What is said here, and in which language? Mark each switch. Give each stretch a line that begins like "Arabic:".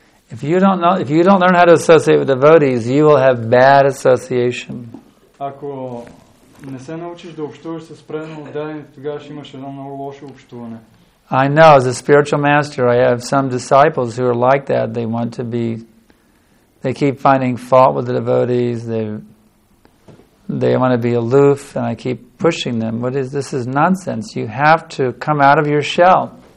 English: If you don't learn how to associate with devotees, you will have bad association.
Bulgarian: Ако не се научиш да общуваш с преноотдадени, тогава ще имаш едно много лошо общуване.
English: I know, as a spiritual master, I have some disciples who are like that. They want to be, they keep finding fault with the devotees. They want to be aloof, and I keep pushing them. This is nonsense. You have to come out of your shell.